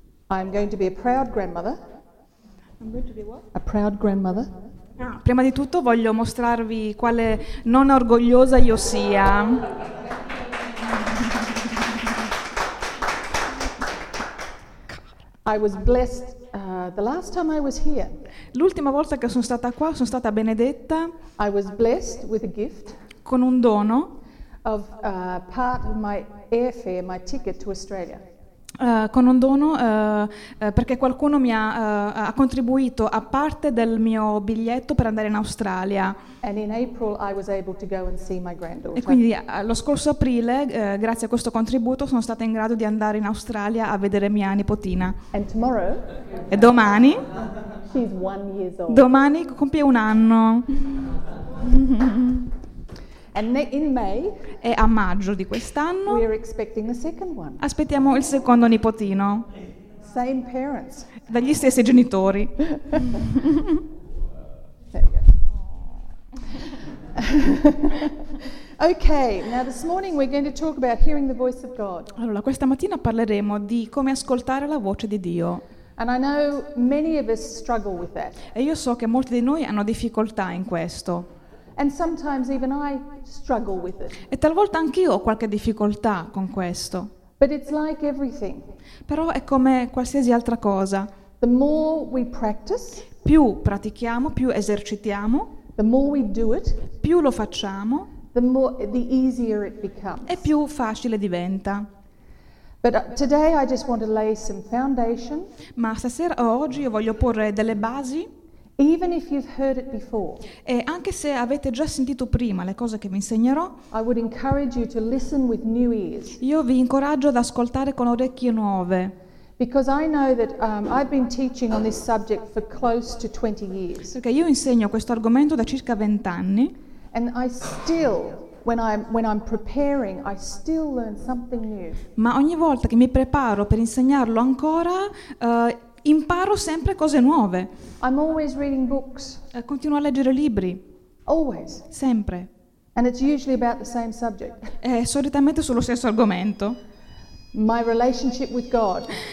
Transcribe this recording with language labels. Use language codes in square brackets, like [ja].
[en] I'm going to be a proud grandmother. I'm going to be what? A proud grandmother. [it] Ah, prima di tutto voglio mostrarvi quale nonna orgogliosa io sia. [en] I was blessed. The last time I was here, [it] l'ultima volta che sono stata qua sono stata benedetta. [en] I was blessed with a gift, [it] con un dono [en] of part of my airfare, my ticket to Australia. [it] Con un dono perché qualcuno mi ha, ha contribuito a parte del mio biglietto per andare in Australia. [en] And in April I was able to go and see my granddaughter. [it] E quindi lo scorso aprile, grazie a questo contributo, sono stata in grado di andare in Australia a vedere mia nipotina. [en] And tomorrow, [it] e domani, [en] she's 1 year old. [it] Domani compie un anno. [en] And in May, [it] e a maggio di quest'anno [en] we are expecting the second one. [it] Aspettiamo il secondo nipotino. [en] Same parents. [it] Dagli stessi genitori. [en] Okay, now this morning we're going to talk about hearing the voice of God. [it] Allora, questa mattina parleremo di come ascoltare la voce di Dio. [en] And I know many of us struggle with that. [it] E io so che molti di noi hanno difficoltà in questo. [en] And sometimes even I struggle with it. [it] E talvolta anch'io ho qualche difficoltà con questo. [en] But it's like everything. [it] Però è come qualsiasi altra cosa. [en] The more we practice, [it] più pratichiamo, più esercitiamo, [en] the more we do it, [it] più lo facciamo, [en] the easier it becomes. [it] E più facile diventa. [en] But today I just want to lay some foundation. [it] Ma stasera o oggi io voglio porre delle basi. [en] Even if you've heard it before, [it] e anche se avete già sentito prima le cose che vi insegnerò, [en] I would encourage you to listen with new ears. [it] Io vi incoraggio ad ascoltare con orecchie nuove. [en] Because I know that I've been teaching on this subject for close to 20 years. [it] Perché io insegno questo argomento da circa 20 anni. [en] And I still, when I'm preparing, I still learn something new. [it] Ma ogni volta che mi preparo per insegnarlo ancora, imparo sempre cose nuove. [en] I'm always reading books. [it] Continuo a leggere libri. [en] Always. [it] Sempre. [en] And it's usually about the same subject. [it] È solitamente sullo stesso argomento. [en] My relationship with God.